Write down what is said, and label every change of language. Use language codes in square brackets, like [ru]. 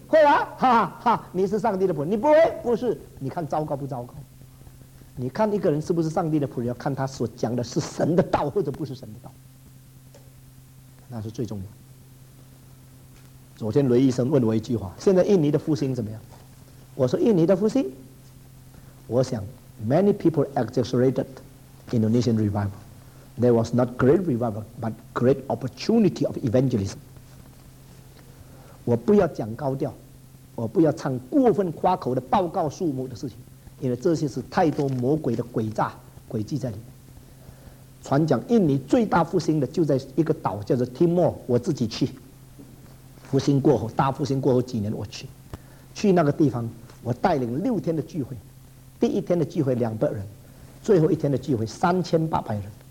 [zh] 会啊，哈哈，你是上帝的仆人。你不会？不是。你看糟糕不糟糕？你看一个人是不是上帝的仆人，要看他所讲的是神的道或者不是神的道，那是最重要。昨天雷医生问我一句话，现在印尼的复兴怎么样？我说印尼的复兴，我想 [en] many people exaggerated Indonesian revival， there was not great revival but great opportunity of evangelism。 [zh] 我不要讲高调，我不要唱过分夸口的报告数目的事情，因为这些是太多魔鬼的诡诈诡计在里面。传讲印尼最大复兴的就在一个岛叫做 Timor， 我自己去复兴过后，大复兴过后几年，我去那个地方，我带领六天的聚会，第一天的聚会200人，最后一天的聚会3800人，